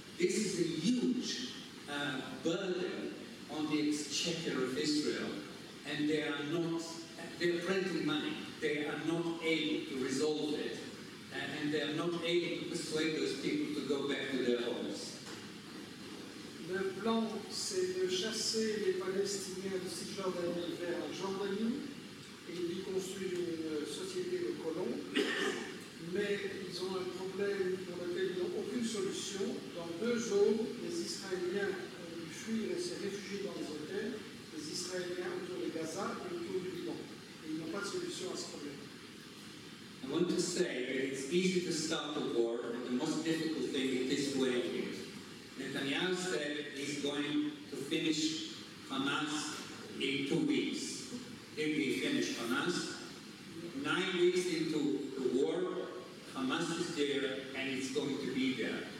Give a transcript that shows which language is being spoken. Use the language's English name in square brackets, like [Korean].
[English] This is a huge burden on the exchequer of Israel, and they are not, they're printing money, they are not able to resolve it, and they are not able to persuade those people to go back to their homes. [French] Le plan, c'est de chasser les Palestiniens de Cisjordanie vers Jordanie et d'y construire une société de colons. Mais ils ont un problème pour lequel ils n'ont aucune solution. Dans deux zones, les Israéliens ont dû fuir et se réfugier dans les hôtels, les Israéliens autour de Gaza et autour du Liban. Et ils n'ont pas de solution à ce problème. [English] I want to say that it's easy to start a war, but the most difficult thing is to end it. Netanyahu said he's going to finish Hamas in 2 weeks. If he finished Hamas, 9 weeks into the war, Hamas is there and it's going to be there.